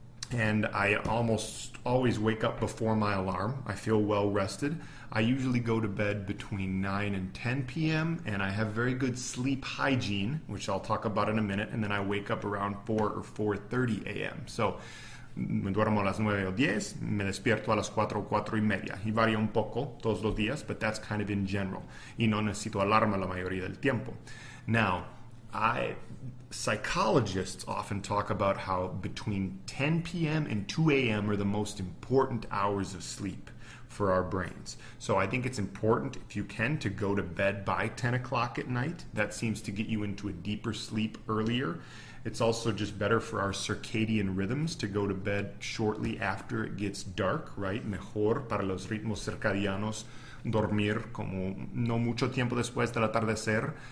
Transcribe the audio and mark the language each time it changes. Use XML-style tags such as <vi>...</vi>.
<en>And I almost always wake up before my alarm. I feel well rested. I usually go to bed between 9 and 10 p.m. and I have very good sleep hygiene, which I'll talk about in a minute, and then I wake up around 4 or 4:30 a.m.</en> <es>So, me duermo a las 9 o 10, me despierto a las 4 o 4 y media. Y varía un poco todos los días,</es> <en>but that's kind of in general.</en> <es>Y no necesito alarma la mayoría del tiempo.</es> <en>Now, psychologists often talk about how between 10 p.m. and 2 a.m. are the most important hours of sleep for our brains. So I think it's important, if you can, to go to bed by 10 o'clock at night. That seems to get you into a deeper sleep earlier. It's also just better for our circadian rhythms to go to bed shortly after it gets dark, right?</en> <es>Mejor para los ritmos circadianos dormir como no mucho tiempo después del atardecer.</es>